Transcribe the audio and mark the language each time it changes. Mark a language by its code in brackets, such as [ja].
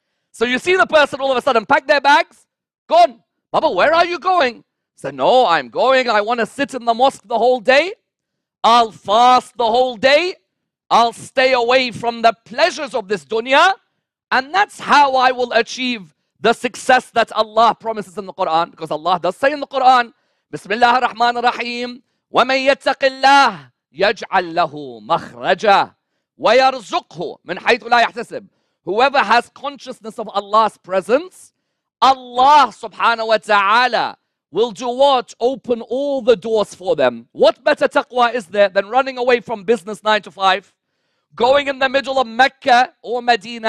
[en] So you see the person all of a sudden pack their bags, gone. Baba, where are you going? Said, no, I'm going. I want to sit in the mosque the whole day. I'll fast the whole day. I'll stay away from the pleasures of this dunya. And that's how I will achieve the success that Allah promises in the Quran. Because Allah does say in the Quran, [ar] Bismillah ar-Rahman ar-Rahim, وَمَنْ يَتَّقِ اللَّهِ يَجْعَلْ لَهُ مَخْرَجًا وَيَرْزُقْهُ مِنْ حَيْثُ لَا يَحْتَسِبْ. [en] Whoever has consciousness of Allah's presence, Allah subhanahu wa ta'ala will do what? Open all the doors for them. What better taqwa is there than running away from business 9 to 5, going in the middle of Mecca or Medina?